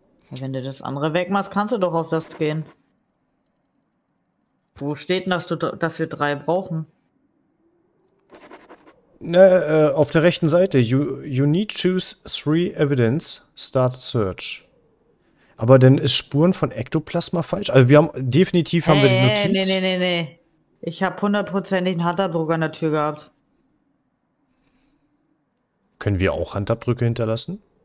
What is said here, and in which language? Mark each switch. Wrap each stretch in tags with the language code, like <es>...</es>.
<de>Wenn du das andere wegmachst, kannst du doch auf das gehen. Wo steht denn, dass wir 3 brauchen? Na, auf der rechten Seite.</de> <en>You need choose 3 evidence. Start search.</en> <de>Aber dann ist Spuren von Ektoplasma falsch. Also wir haben definitiv haben wir die Notiz. Nee. Ich habe 100%ig einen Handabdruck an der Tür gehabt. Können wir auch Handabdrücke hinterlassen?</de>